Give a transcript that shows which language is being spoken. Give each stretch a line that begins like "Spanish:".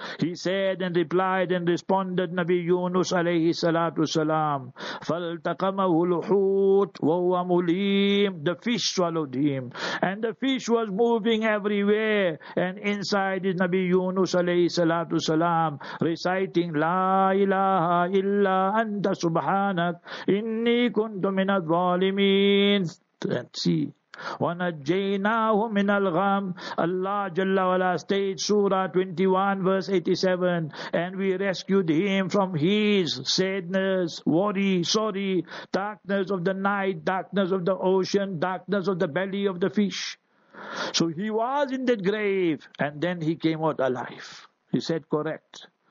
English: He said and replied and responded, Nabi Yunus alayhi salatu salam,
Arabic: فَالْتَقَمَهُ الْحُوتُ وَهُوَ مُلِيمُ.
English: The fish swallowed him, and the fish was moving everywhere, and inside is Nabi Yunus alayhi salatu salam, reciting,
Arabic: لا إله إلا أنت سبحانه. Inni kuntu min al-zalimin.
English: See,
Arabic: وَنَجَّيْنَاهُ مِنَ الْغَمْ.
English: Allah Jalla Wala states, Surah 21 verse 87, and we rescued him from his sadness, worry, sorry, darkness of the night, darkness of the ocean, darkness of the belly of the fish. So he was in that grave and then he came out alive. He said correct.